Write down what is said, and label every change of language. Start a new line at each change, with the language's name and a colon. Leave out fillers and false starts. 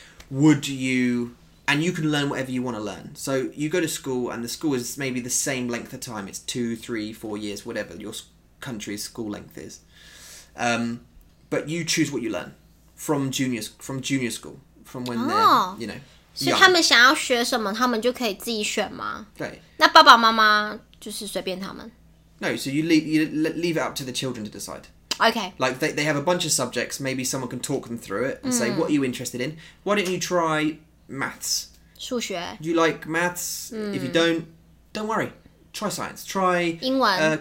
English: Would you, and you can learn whatever you want to learn. So you go to school and the school is maybe the same length of time. It's 2, 3, 4 years, whatever your country's school length is. But you choose what you learn from junior school, from when they're, you know.
Chinese: 所以他们想要学什么，他们就可以自己选吗？对。那爸爸妈妈就是随便他们。
English: No, so you leave it up to the children to decide. Okay. Like they have a bunch of subjects. Maybe someone can talk them through it and say, "What are you interested in? Why don't you try maths?
Chinese: 数学。
English: Do you like maths? If you don't worry. Try science. Try
Chinese: 英文。